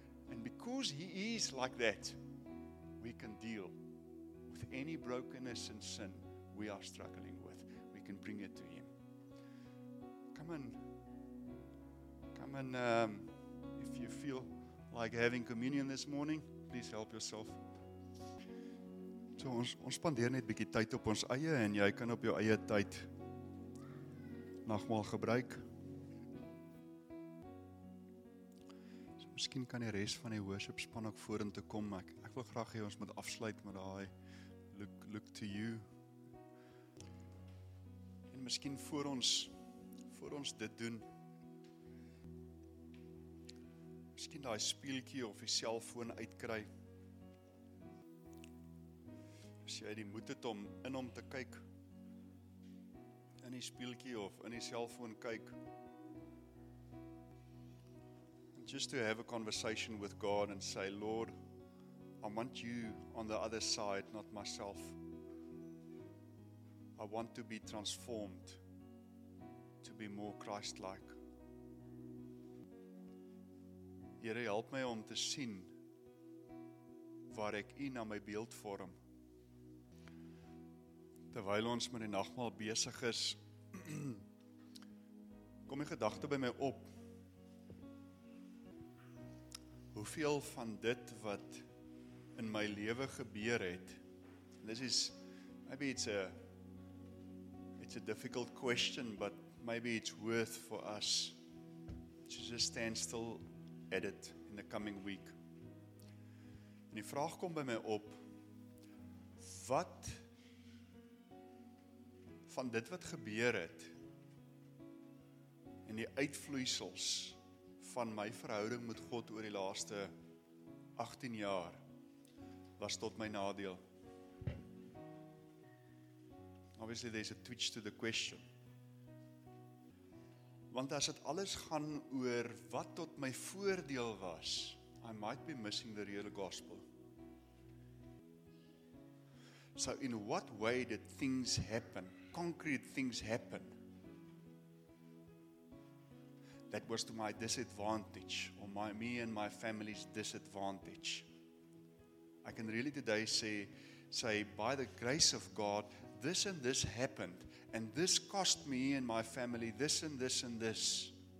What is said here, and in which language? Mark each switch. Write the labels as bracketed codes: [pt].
[en] And because he is like that, we can deal with any brokenness and sin we are struggling with. We can bring it to him. Come and if you feel like having communion this morning, please help yourself. [af] So ons spandeer net bietjie tyd op ons eie, en jy kan op jou eie tyd nagmaal gebruik. So miskien kan die res van die worship span ook vorentoe kom. Ek wil graag hê ons moet afsluit met daai look to you. En miskien voor ons dit doen, miskien daai speeltjie of die selfoon uitkry. As jy die moed het om in hom te kyk, in die speeltjie of in die selfoon kyk. [en] And just to have a conversation with God and say, Lord, I want you on the other side, not myself. I want to be transformed to be more Christ-like. [af] Here, help my om te sien waar ek in na my beeld vorm. Terwyl ons met die nagmaal besig is, kom die gedagte by my op. Hoeveel van dit wat in my lewe gebeur het, [en] this is, maybe it's a difficult question, but maybe it's worth for us to just stand still at it in the coming week. [af] En die vraag kom by my op, wat van dit wat gebeur het en die uitvloeisels van my verhouding met God oor die laaste 18 jaar was tot my nadeel. [en] Obviously there's a twitch to the question. [af] Want as het alles gaan oor wat tot my voordeel was, [en] I might be missing the real gospel. So in what way did things happen, concrete things happen, that was to my disadvantage, or my me and my family's disadvantage. I can really today say, by the grace of God, this and this happened, and this cost me and my family this and this and this.